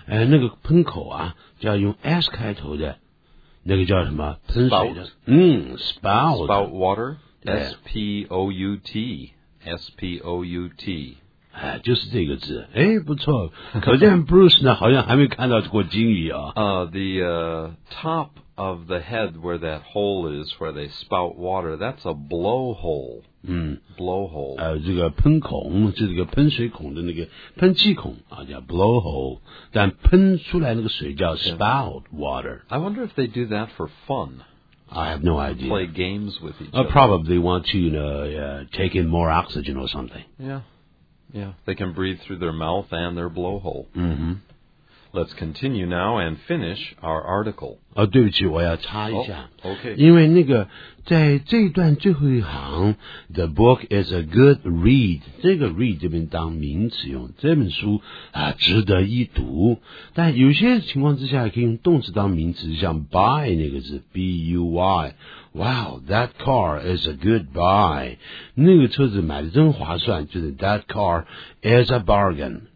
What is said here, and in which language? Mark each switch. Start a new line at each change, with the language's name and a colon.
Chinese: 那个喷口啊, 就要用S开头的, 那个叫什么, 喷水的,
English: spout. Spout water, S-P-O-U-T. S-P-O-U-T.
Chinese: 就是这个字. 诶,不错, 可见Bruce呢, 好像还没看到过鲸鱼啊。
English: The top of the head where that hole is, where they spout water, that's a blowhole. 嗯,blowhole.
Chinese: 这个喷孔,就是这个喷水孔的那个喷气孔啊, 叫blowhole, 但喷出来那个水叫spout water.
English: I wonder if they do that for fun. I have no idea. Play games with each other. Probably want to, you know, take in more oxygen or something. Yeah. Yeah. They can breathe through their mouth and their blowhole. Mm-hmm. Let's continue now and finish our article.
Chinese: 对不起,我要插一下。
English: Okay.
Chinese: 因为那个,在这一段最后一行,
English: the book is a good read.
Chinese: 这个read这边当名词用, 这本书值得一读, 但有些情况之下可以用动词当名词, 像buy那个字, B-U-Y.
English: Wow, that car is a good buy.
Chinese: 那个车子买得真划算, 就是
English: that car is a bargain.